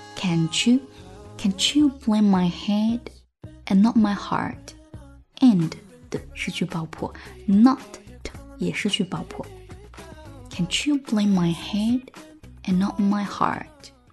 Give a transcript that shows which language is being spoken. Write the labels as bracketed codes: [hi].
[en] Can't you blame my head and not my heart. [zh] And 的失去爆破， not 也失去爆破。 [en] Can't you blame my head and not my heart.